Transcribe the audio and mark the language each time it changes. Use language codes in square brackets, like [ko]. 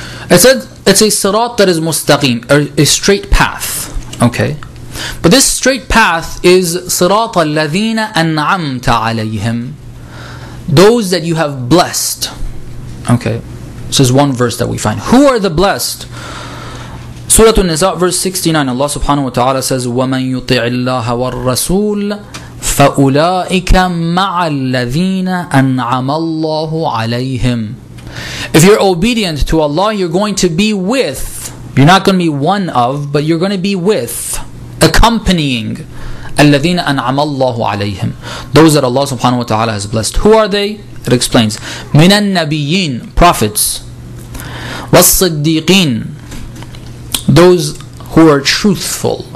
[en] It said, it's a sirat that is mustaqim, a straight path. Okay? But this straight path is sirat al-ladhina an'amta alayhim, those that you have blessed. Okay? This is one verse that we find. Who are the blessed? Surah An-Nisa, verse 69, Allah subhanahu wa ta'ala says, [ar] وَمَنْ يُطِعِ اللَّهَ وَالرَّسُولِ فَأُولَٰئِكَ مَعَ الَّذِينَ أَنْعَمَ اللَّهُ عَلَيْهِمْ. [en] If you're obedient to Allah, you're going to be with, you're not going to be one of, but you're going to be with, accompanying, [ar] الَّذِينَ أَنْعَمَ اللَّهُ عَلَيْهِمْ, [en] those that Allah subhanahu wa ta'ala has blessed. Who are they? It explains, [ar] مِنَ النَّبِيِّينَ, [en] prophets, [ar] وَالصِّدِّيقِينَ, [en] those who are truthful.